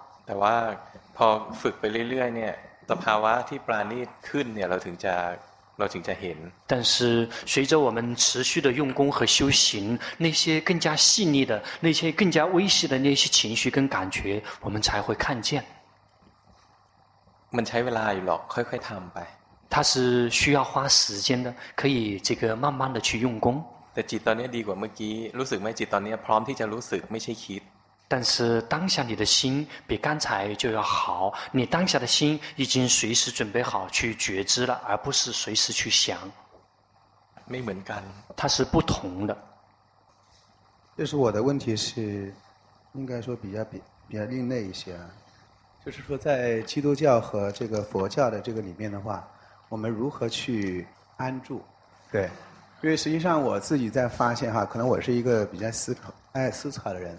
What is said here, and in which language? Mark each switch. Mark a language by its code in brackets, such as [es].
[zh] 但是 [th] พอฝึกไปเรื่อยๆเนี่ยสภาวะที่ปราณีตขึ้นเนี่ยเราถึงจะเห็น [zh] 但是随着我们持续的用功和修行那些更加细腻的那些更加微细的那些情绪跟感觉我们才会看见 [th] มันใช้เวลาอยู่หรอกค่อยๆทำไป [zh] 它是需要花时间的可以这个慢慢的去用功 [th] แต่จิตตอนนี้ดีกว่าเมื่อกี้รู้สึกไหมจิตตอนนี้พร้อมที่จะรู้สึกไม่ใช่คิด [zh] 但是当下你的心比刚才就要好你当下的心已经随时准备好去觉知了而不是随时去想没 [th] เหมือนกัน [zh] 它是不同的就是我的问题是应该说比较另类一些就是说在基督教和这个佛教的这个里面的话我们如何去安住对因为实际上我自己在发现哈可能我是一个比较爱思考的人。